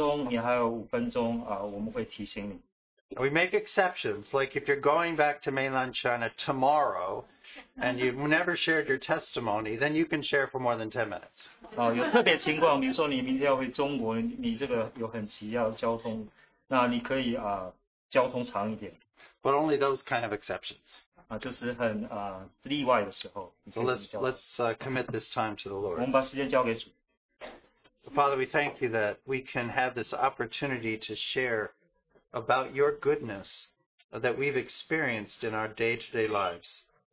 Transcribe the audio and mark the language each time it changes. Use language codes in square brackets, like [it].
[zh] 如果你超过十分钟，你还有五分钟，我们会提醒你。 [en] We make exceptions, like if you're going back to mainland China tomorrow and you've never shared your testimony, then you can share for more than 10 minutes. [zh] 有特别情况，比如说你明天要回中国，你这个有很急要交通。那你可以交通长一点。 [en] But only those kind of exceptions. [zh] 就是很例外的时候。 [en] So let's commit this time to the Lord. [zh] 我们把时间交给主。 [en] Father, we thank you that we can have this opportunity to share about your goodness that we've experienced in our day-to-day lives.